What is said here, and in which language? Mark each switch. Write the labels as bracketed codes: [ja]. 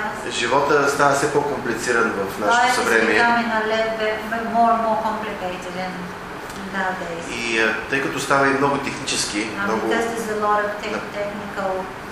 [bg] Живота става все по-комплициран в нашето съвремие. [en] Life is becoming a little bit more and more complicated in nowadays. [bg] И тъй като става и много технически, много... [en] Because there's a lot of technical...